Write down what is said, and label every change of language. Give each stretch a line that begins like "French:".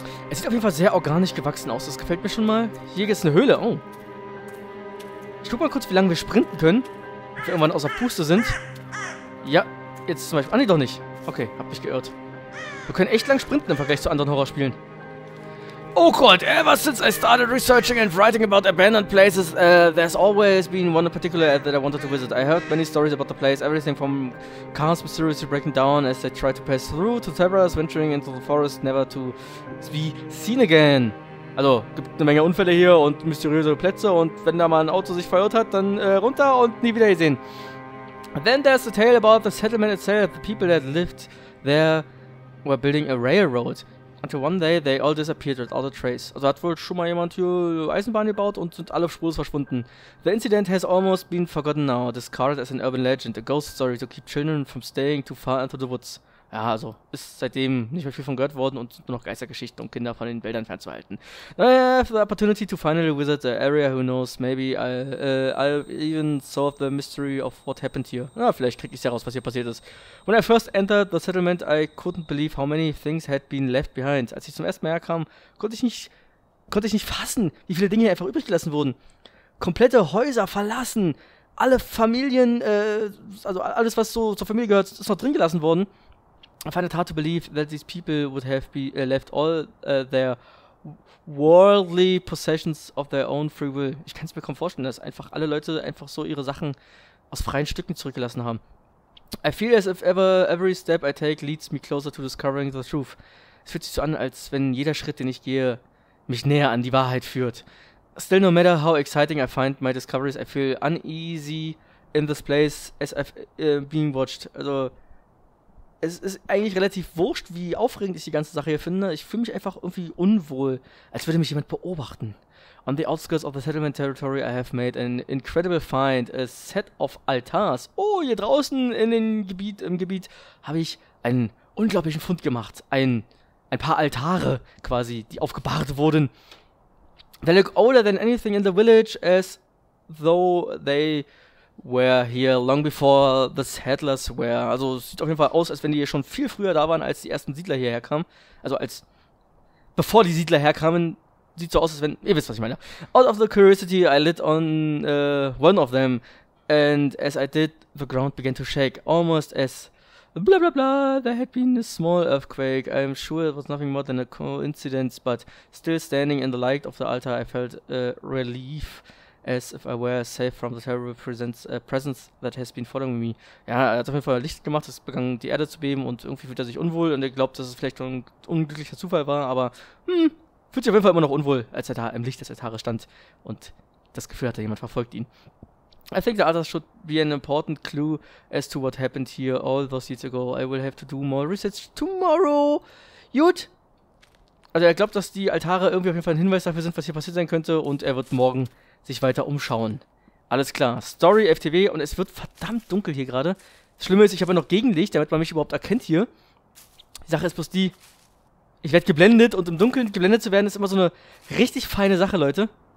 German: Es sieht auf jeden Fall sehr organisch gewachsen aus, das gefällt mir schon mal. Hier gibt's eine Höhle, oh. Ich guck mal kurz, wie lange wir sprinten können, ob wir irgendwann außer Puste sind. Ja, jetzt zum Beispiel, ah nee, doch nicht. Okay, hab mich geirrt. Wir können echt lang sprinten im Vergleich zu anderen Horrorspielen. Oh Gott,
English: ever since I started researching and writing about abandoned places, there's always been one in particular that I wanted to visit. I heard many stories about the place, everything from cars mysteriously breaking down as they tried to pass through, to zebras venturing into the forest, never to be seen again.
German: Also, gibt eine Menge Unfälle hier und mysteriöse Plätze und wenn da mal ein Auto sich verirrt hat, dann runter und nie wieder gesehen.
English: Then there's the tale about the settlement itself, the people that lived there were building a railroad. Until one day they all disappeared without a trace.
German: Also hat wohl schon mal jemand hier Eisenbahn gebaut und sind alle spurlos verschwunden.
English: The incident has almost been forgotten now, discarded as an urban legend, a ghost story to keep children from staying too far into the woods.
German: Ja, also ist seitdem nicht mehr viel von gehört worden und nur noch Geistergeschichten, um Kinder von den Wäldern fernzuhalten.
English: Naja, for the opportunity to finally visit the area, who knows, maybe I'll even solve the mystery of what happened here.
German: Na, vielleicht krieg ich es ja raus, was hier passiert ist.
English: When I first entered the settlement, I couldn't believe how many things had been left behind.
German: Als ich zum ersten Mal herkam, konnte ich nicht fassen, wie viele Dinge hier einfach übrig gelassen wurden. Komplette Häuser verlassen, alle Familien, also alles, was so zur Familie gehört, ist noch drin gelassen worden.
English: I find it hard to believe that these people would have left all their worldly possessions of their own free will.
German: Ich kann es mir kaum vorstellen, dass einfach alle Leute einfach so ihre Sachen aus freien Stücken zurückgelassen haben.
English: I feel as if every step I take leads me closer to discovering the truth.
German: Es fühlt sich so an, als wenn jeder Schritt, den ich gehe, mich näher an die Wahrheit führt.
English: Still, no matter how exciting I find my discoveries, I feel uneasy in this place as I've been watched.
German: Also, es ist eigentlich relativ wurscht, wie aufregend ich die ganze Sache hier finde. Ich fühle mich einfach irgendwie unwohl, als würde mich jemand beobachten.
English: On the outskirts of the settlement territory, I have made an incredible find, a set of altars.
German: Oh, hier draußen in dem Gebiet, habe ich einen unglaublichen Fund gemacht. Ein paar Altare quasi, die aufgebahrt wurden.
English: They look older than anything in the village, as though they were here long before the settlers were.
German: Also es sieht auf jeden Fall aus, als wenn die hier schon viel früher da waren, als die ersten Siedler hierher kamen. Also als bevor die Siedler herkamen, sieht so aus, als wenn, ihr wisst, was ich meine.
English: Out of the curiosity, I lit on one of them. And as I did, the ground began to shake. Almost as blah blah blah, there had been a small earthquake. I'm sure it was nothing more than a coincidence, but still standing in the light of the altar, I felt relief. As if I were safe from the terrible presence that has been following me.
German: Ja, er hat auf jeden Fall Licht gemacht, es begann die Erde zu beben und irgendwie fühlt er sich unwohl und er glaubt, dass es vielleicht schon ein unglücklicher Zufall war, aber fühlt sich auf jeden Fall immer noch unwohl, als er da im Licht des Altars stand und das Gefühl hatte, jemand verfolgt ihn.
English: I think the altar should be an important clue as to what happened here all those years ago. I will have to do more research tomorrow.
German: Gut. Also er glaubt, dass die Altare irgendwie auf jeden Fall ein Hinweis dafür sind, was hier passiert sein könnte und er wird morgen sich weiter umschauen. Alles klar. Story FTW und es wird verdammt dunkel hier gerade. Das Schlimme ist, ich habe noch Gegenlicht, damit man mich überhaupt erkennt hier. Die Sache ist bloß die, ich werde geblendet und im Dunkeln geblendet zu werden ist immer so eine richtig feine Sache, Leute.